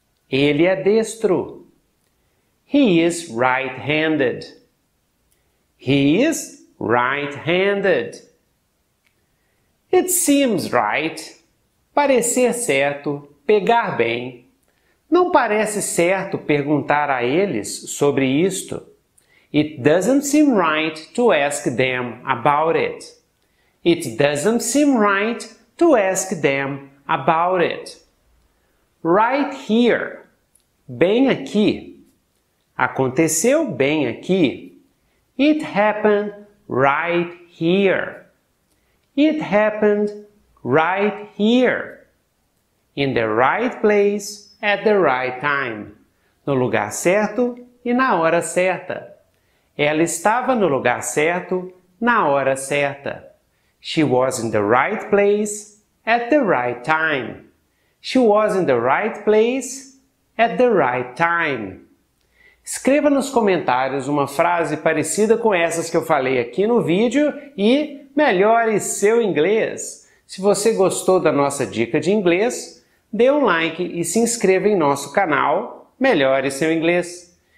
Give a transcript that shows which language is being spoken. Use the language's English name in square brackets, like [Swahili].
[Portuguese] Ele é destro. [English] He is right-handed. He is right-handed. It seems right. [Portuguese] Parecer certo, pegar bem. Não parece certo perguntar a eles sobre isto. [English] It doesn't seem right to ask them about it. It doesn't seem right to ask them about it. Right here. [Portuguese] Bem aqui. Aconteceu bem aqui. [English] It happened right here. It happened right here, in the right place, at the right time. [Portuguese] No lugar certo e na hora certa. Ela estava no lugar certo, na hora certa. [English] She was in the right place, at the right time. She was in the right place, at the right time. [Portuguese] Escreva nos comentários uma frase parecida com essas que eu falei aqui no vídeo e melhore seu inglês. Se você gostou da nossa dica de inglês, dê um like e se inscreva em nosso canal Melhore Seu Inglês.